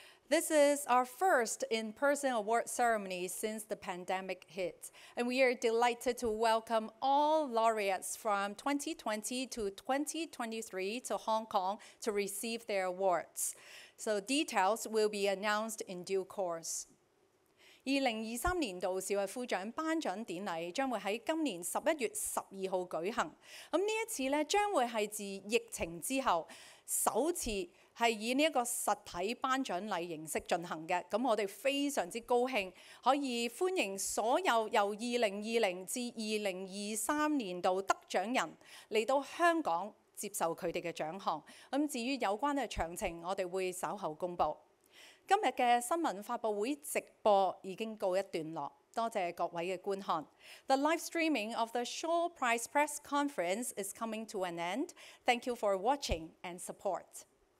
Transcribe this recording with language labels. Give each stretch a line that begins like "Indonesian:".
English: This is our first in-person award ceremony since the pandemic hit, and we are delighted to welcome all laureates from 2020 to 2023 to Hong Kong to receive their awards. So details will be announced in due course.
Cantonese: 2020年度小委副長頒獎典禮將會在今年11月12日舉行，咁呢一次咧將會係自疫情之後首次係以呢一個實體頒獎禮形式進行嘅，咁我哋非常之高興可以歡迎所有由2020至2023年度得獎人嚟到香港接受佢哋嘅獎項，咁至於有關嘅詳情，我哋會稍後公布。今日嘅新聞發佈會直播已經告一段落，多謝各位嘅觀看。
English: The live streaming of the Shaw Prize Press Conference is coming to an end. Thank you for watching and support.